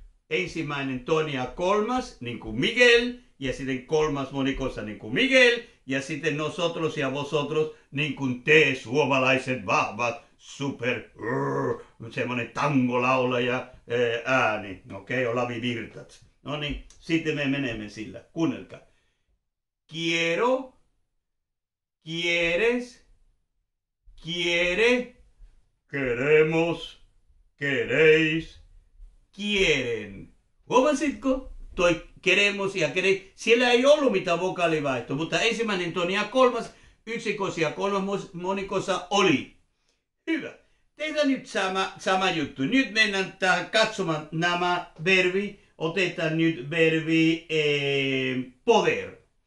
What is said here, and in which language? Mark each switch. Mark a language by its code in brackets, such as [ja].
[fi] Ensimmäinen, toinen ja kolmas, niin kuin Miguel. Ja sitten kolmas monikossa, niin kuin Miguel. Ja sitten nosotros ja vosotros, niin kuin te suomalaiset vahvat super, semmoinen tangolaulaja ääni, okei, okay, Olavi Virtats. No niin, sitten me menemme sillä. Kuunnelkaa. [es] Quiero, quieres, quiere, queremos, queréis, quieren. [fi] Huomasitko? Toi queremos ja queréis. Siellä ei ollut mitään vokaalivaihtoa, mutta ensimmäinen toni ja kolmas yksikossa ja kolmas monikossa oli. Hyvä. Tehdään nyt sama juttu. Nyt mennään tähän katsomaan nämä verbi. Otetaan nyt verbi poder.